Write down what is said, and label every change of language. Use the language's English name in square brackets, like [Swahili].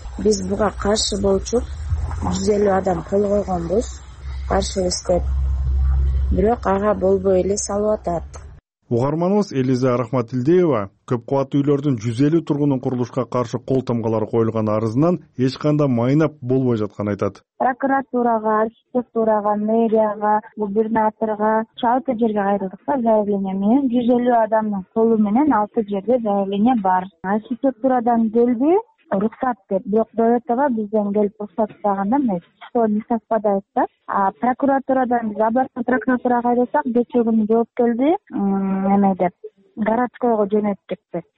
[Kyrgyz] Биз буга каршы болчу 150 адам кол койгонбуз, каршыбыз деп. Бирок ага болбой эле салып атат. Угарманыбыз Элиза Рахматилдеева көп кабаттуу үйлөрдүн 150 тургунун курулушка каршы кол тамгалары коюлган арызынан эч кандай майнап болбой жатканын айтат. Прокуратурага, архитектурага, мэрияга, губернаторго, алты жерге кайрылдык да заявление менен. 150 адамдын колу менен 6 жерде заявление бар. Архитектурадан келди уруксат деп, бирок [Russian] до этого [Kyrgyz] бизден келип уруксат сураганда эмес. [Russian] Что не совпадает да? [Kyrgyz] А прокуратурадан биз [Russian] обратно [Kyrgyz] прокуратурага кайрылсак, кечээ күнү жооп келди эме деп, городскойго жөнөттүк деп.